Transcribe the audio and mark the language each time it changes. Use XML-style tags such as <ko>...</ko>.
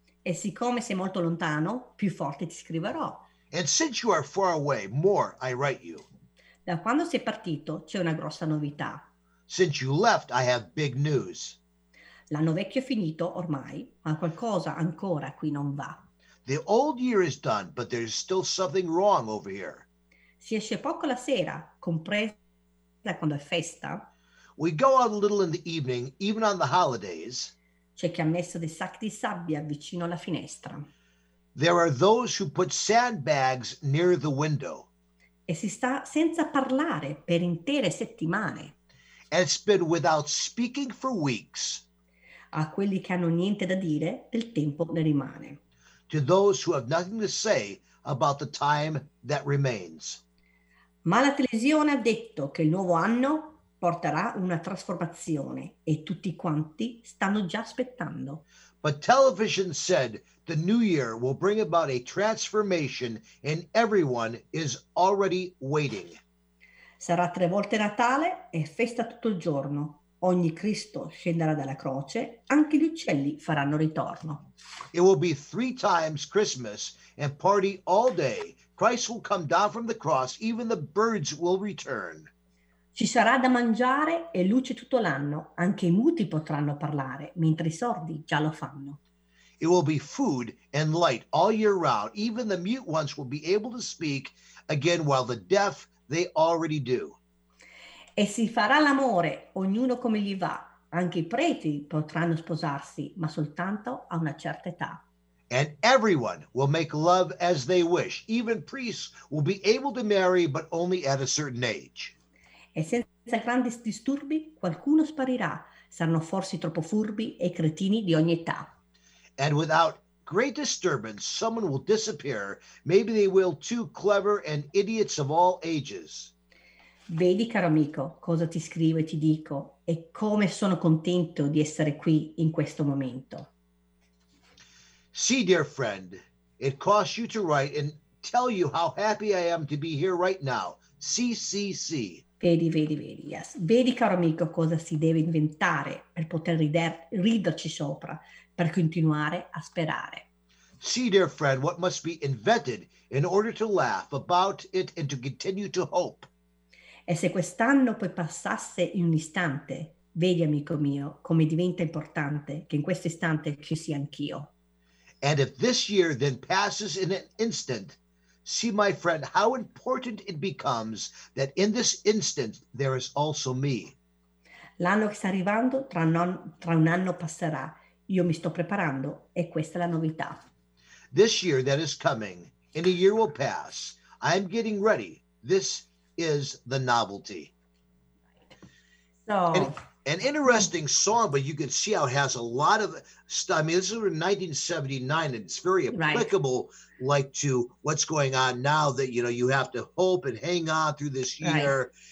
<it>E siccome sei molto lontano, più forte ti scriverò.</it> <en>And since you are far away, more I write you.</en> <it>Da quando sei partito, c'è una grossa novità.</it> <en>Since you left, I have big news.</en> <it>L'anno vecchio è finito ormai, ma qualcosa ancora qui non va.</it> <en>The old year is done, but there's still something wrong over here.</en> <it>Si esce poco la sera, compresa quando è festa.</it> <en>We go out a little in the evening, even on the holidays.</en> <it>C'è chi ha messo dei sacchi di sabbia vicino alla finestra.</it> <en>There are those who put sandbags near the window.</en> <it>E si sta senza parlare per intere settimane.</it> <en>And it's been without speaking for weeks.</en> <it>A quelli che hanno niente da dire, il tempo ne rimane.</it> <en>To those who have nothing to say about the time that remains.</en> <it>Ma la televisione ha detto che il nuovo anno porterà una trasformazione e tutti quanti stanno già aspettando.</it> <en>But television said the new year will bring about a transformation and everyone is already waiting.</en> <it>Sarà tre volte Natale e festa tutto il giorno. Ogni Cristo scenderà dalla croce, anche gli uccelli faranno ritorno.</it> <en>It will be three times Christmas and party all day. Christ will come down from the cross, even the birds will return.</en> <it>Ci sarà da mangiare e luce tutto l'anno, anche i muti potranno parlare, mentre i sordi già lo fanno.</it> <en>It will be food and light all year round, even the mute ones will be able to speak again while the deaf they already do.</en> <it>E si farà l'amore, ognuno come gli va, anche i preti potranno sposarsi, ma soltanto a una certa età.</it> <en>And everyone will make love as they wish. Even priests will be able to marry, but only at a certain age.</en> <it>E senza grandi disturbi, qualcuno sparirà. Saranno forse troppo furbi e cretini di ogni età.</it> <en>And without great disturbance, someone will disappear. Maybe they will too clever and idiots of all ages.</en> <it>Vedi, caro amico, cosa ti scrivo e ti dico, e come sono contento di essere qui in questo momento.</it> <en>See, dear friend, it costs you to write and tell you how happy I am to be here right now. CCC.</en> <it>Vedi, yes. Vedi, caro amico, cosa si deve inventare per poter riderci sopra, per continuare a sperare.</it> <en>See, dear friend, what must be invented in order to laugh about it and to continue to hope.</en> <it>E se quest'anno poi passasse in un istante, vedi, amico mio, come diventa importante che in questo istante ci sia anch'io.</it> <en>And if this year then passes in an instant, see, my friend, how important it becomes that in this instant there is also me.</en> <it>L'anno che sta arrivando tra un anno passerà. Io mi sto preparando e questa è la novità.</it> <en>This year that is coming, in a year will pass. I am getting ready. This is the novelty. So... An interesting song, but you can see how it has a lot of stuff. I mean, this is from 1979, and it's very applicable, right, like to what's going on now, that, you know, you have to hope and hang on through this year.</en>